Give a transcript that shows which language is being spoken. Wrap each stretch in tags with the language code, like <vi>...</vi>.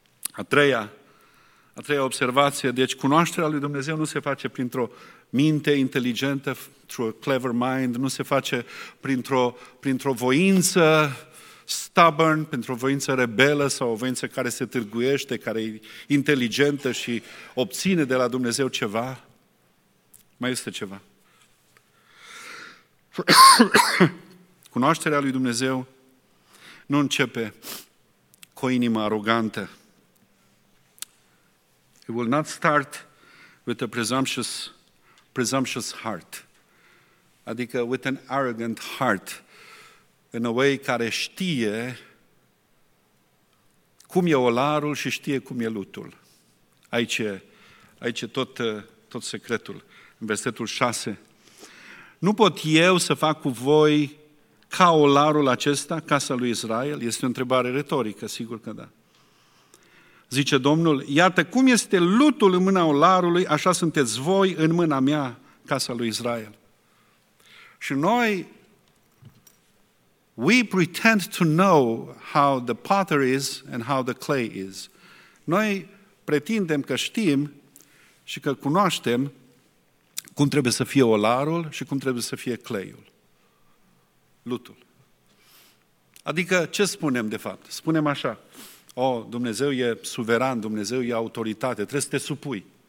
<ro>A treia observație. Deci cunoașterea lui Dumnezeu nu se face printr-o minte inteligentă,</ro> <en>through a clever mind,</en> <ro>nu se face printr-o voință stubborn, pentru o voință rebelă sau o voință care se târguiește, care e inteligentă și obține de la Dumnezeu ceva, mai este ceva. Cunoașterea lui Dumnezeu nu începe cu o inimă arogantă.</ro> <en>It will not start with a presumptuous heart. Adică with an arrogant heart.</en> <ro>În</ro> <en>a way</en> <ro>care știe cum e olarul și știe cum e lutul. Aici e tot secretul, în versetul 6. Nu pot eu să fac cu voi ca olarul acesta, casa lui Israel? Este o întrebare retorică, sigur că da. Zice Domnul, iată cum este lutul în mâna olarului, așa sunteți voi în mâna mea, casa lui Israel. Și noi...</ro> <en>We pretend to know how the potter is and how the clay is.</en> <ro>Noi pretindem că știm și că cunoaștem cum trebuie să fie olarul și cum trebuie să fie clayul, lutul. Adică ce spunem de fapt? Spunem așa, Dumnezeu e suveran, Dumnezeu e autoritate, trebuie să te supui.</ro>